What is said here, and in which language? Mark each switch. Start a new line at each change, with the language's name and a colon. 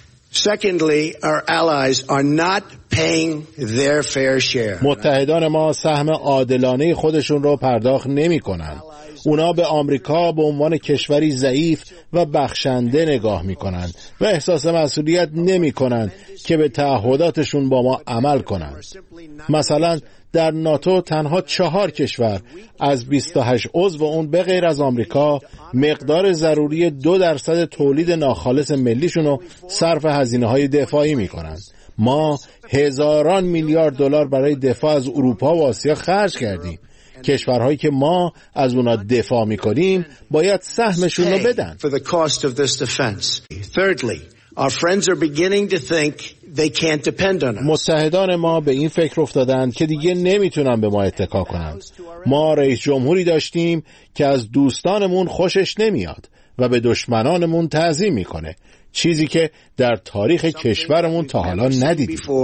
English: Secondly, our allies are not paying their fair share.
Persian: متحدان ما سهم عادلانه خودشون رو پرداخت نمی‌کنن. اونا به آمریکا به عنوان کشوری ضعیف و بخشنده نگاه می‌کنن و احساس مسئولیت نمی‌کنن که به تعهداتشون با ما عمل کنن. مثلا در ناتو تنها 4 کشور از 28 عضو اون به غیر از آمریکا مقدار ضروری 2% تولید ناخالص ملیشون رو صرف هزینه‌های دفاعی می‌کنن. ما هزاران میلیارد دلار برای دفاع از اروپا و آسیا خرج کردیم. کشورهایی که ما از اونا دفاع می‌کنیم باید سهمشون رو بدن.
English: Our friends are beginning to think they can't depend on us.
Persian: متحدان ما به این فکر افتادند که دیگه نمیتونن به ما اتکا کنند. ما رئیس جمهوری داشتیم که از دوستانمون خوشش نمیاد و به دشمنانمون تعظیم میکنه. چیزی که در تاریخ کشورمون تا حالا ندیدیم.